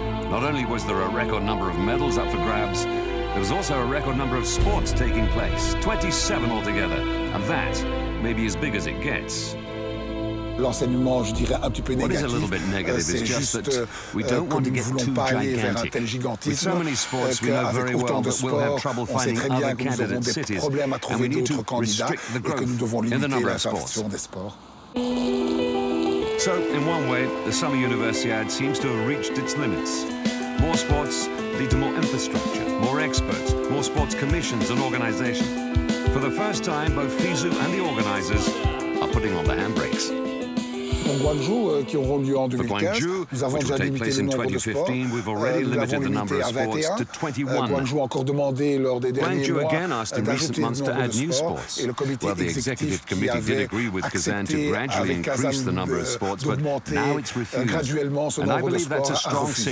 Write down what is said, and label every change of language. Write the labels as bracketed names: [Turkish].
[English] Not only was there a record number of medals up for grabs, there was also a record number of sports taking place, 27 altogether, and that may be as big as it gets. [French] L'enseignement, je dirais, un petit peu négatif, c'est juste que nous ne voulons pas aller vers un tel gigantisme, qu'avec autant de sports, on sait très bien que nous avons des problèmes à trouver d'autres candidats et que nous devons limiter la fraction des sports. [English] So, in one way, the Summer Universiade seems to have reached its limits. More sports lead to more infrastructure, more experts, more sports commissions and organization. For the first time, both FISU and the organizers are putting on the handbrakes. [French] Pour Guangzhou, qui auront lieu en 2015, nous avons déjà limité le nombre de sports. Nous l'avons limité à 21. Guangzhou a encore demandé lors des derniers mois d'ajouter le nombre de sports. Et le comité exécutif qui avait accepté avec Kazan d'augmenter graduellement ce nombre de sports a refusé.